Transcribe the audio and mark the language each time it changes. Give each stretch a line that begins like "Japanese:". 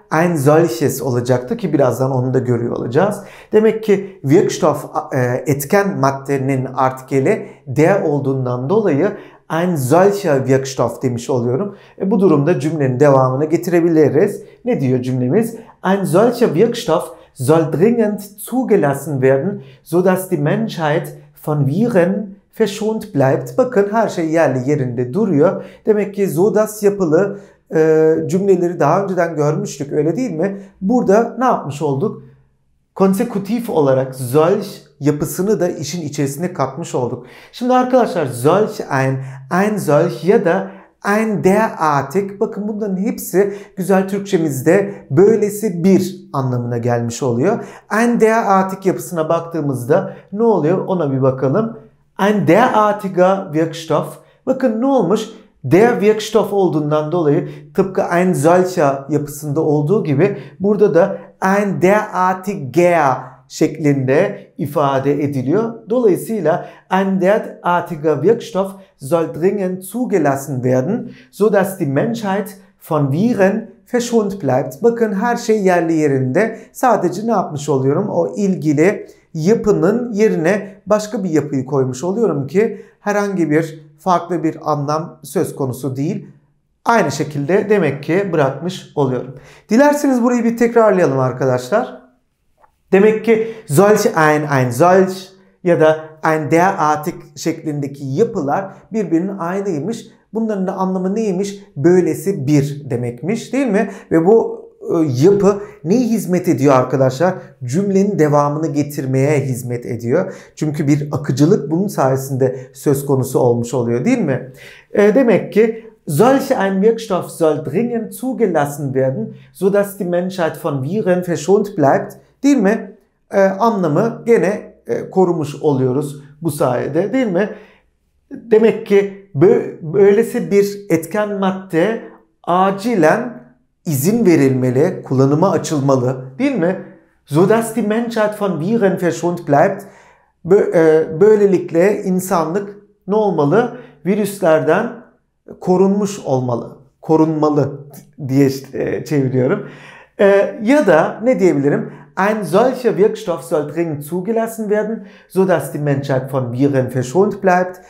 Turkish: Ein solches olacaktı ki birazdan onu da görüyor olacağız. Demek ki Wirkstoff etken maddenin artikeli der olduğundan dolayı ein solcher Wirkstoff demiş oluyorum. Bu durumda cümlenin devamını getirebiliriz. Ne diyor cümlemiz?
German: Ein solcher Wirkstoff soll dringend zugelassen werden, so dass die Menschheit von Viren verschont bleibt.
Turkish: Bakın her şey yerli yerinde duruyor. Demek ki so dass yapılı cümleleri daha önceden görmüştük, öyle değil mi? Burada ne yapmış olduk? Konsekutif olarak solch yapısını da işin içerisine katmış olduk. Şimdi arkadaşlar, solch ein solch ya da ein derartig, bakın bunların hepsi güzel Türkçemizde böylesi bir anlamına gelmiş oluyor. Ein derartig yapısına baktığımızda ne oluyor, ona bir bakalım. Ein derartiger Wirkstoff, bakın ne olmuş? Der Wirkstoff olduğundan dolayı tıpkı ein solcher yapısında olduğu gibi burada da ein derartiger şeklinde ifade ediliyor.
German: Dolayısıyla ein derartiger Wirkstoff soll dringend zugelassen werden, so dass die Menschheit von Viren verschont bleibt.
Turkish: Bakın her şey yerli yerinde. Sadece ne yapmış oluyorum? O ilgili yapının yerine başka bir yapıyı koymuş oluyorum ki herhangi bir farklı bir anlam söz konusu değil. Aynı şekilde demek ki bırakmış oluyorum. Dilerseniz burayı bir tekrarlayalım arkadaşlar. Demek ki solch ein solch ya da ein derartig şeklindeki yapılar birbirinin aynıymış. Bunların da anlamı neymiş? Böylesi bir demekmiş, değil mi? Ve bu yapı neye hizmet ediyor arkadaşlar? Cümlenin devamını getirmeye hizmet ediyor. Çünkü bir akıcılık bunun sayesinde söz konusu olmuş oluyor, değil mi?
German: Demek ki solch ein Wirkstoff soll dringend zugelassen werden, so dass die Menschheit von Viren verschont bleibt, değil mi?
Turkish: Anlamı gene korumuş oluyoruz bu sayede, değil mi? Demek ki böylesi bir etken madde acilen izin verilmeli, kullanıma açılmalı, değil mi?
German: So dass die Menschheit von Viren verschont bleibt.
Turkish: Böylelikle insanlık ne olmalı? Virüslerden korunmuş olmalı. Korunmalı diye çeviriyorum. Ya da ne diyebilirim?
German: Ein solcher Wirkstoff soll dringend zugelassen werden, so dass die Menschheit von Viren verschont bleibt.